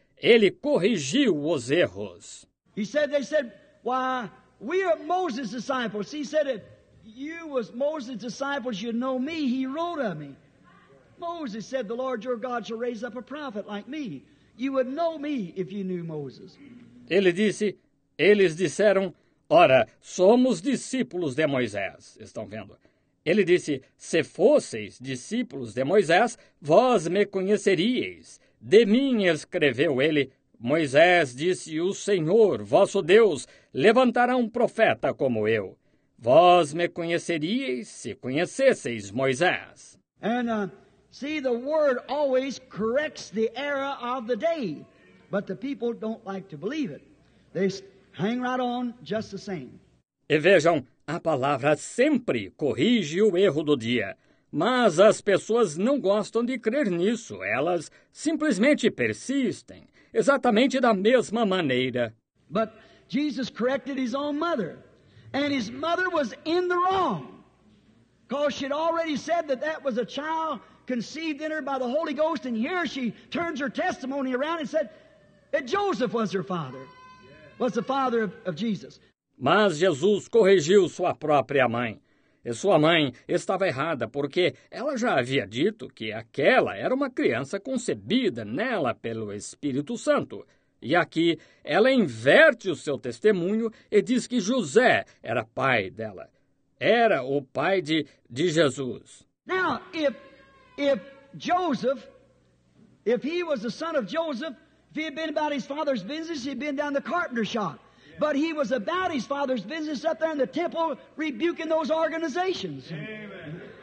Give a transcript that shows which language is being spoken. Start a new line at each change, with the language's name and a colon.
Portuguese: Ele corrigiu os erros.
English: He said, they said, why, we are Moses' disciples. He said, if you was Moses' disciples, you'd know me. He wrote of me. Moses said, the Lord your God shall raise up a prophet like me. You would know me if you knew Moses.
Portuguese: Ele disse, eles disseram, ora, somos discípulos de Moisés. Estão vendo? Ele disse, se fosseis discípulos de Moisés, vós me conheceríeis. De mim escreveu ele, Moisés disse, o Senhor, vosso Deus, levantará um profeta como eu. Vós me conheceríeis se conhecesseis Moisés.
English: See, the word always corrects the error of the day, but the people don't like to believe it. They hang right on just the same.
Portuguese: E vejam, a palavra sempre corrige o erro do dia, mas as pessoas não gostam de crer nisso. Elas simplesmente persistem, exatamente da mesma maneira.
English: But Jesus corrected his own mother, and his mother was in the wrong, because she had already said that that was a child conceived in her by the Holy Ghost, and here she turns her testimony around and said that Joseph was her father, was the father of Jesus.
Portuguese: Mas Jesus corrigiu sua própria mãe. E sua mãe estava errada, porque ela já havia dito que aquela era uma criança concebida nela pelo Espírito Santo. E aqui ela inverte o seu testemunho e diz que José era pai dela. Era o pai de Jesus.
English: Now, if Joseph, if he was the son of Joseph, if he had been about his father's business, he'd been down the carpenter shop. Yeah. But he was about his father's business up there in the temple rebuking those organizations. Amen.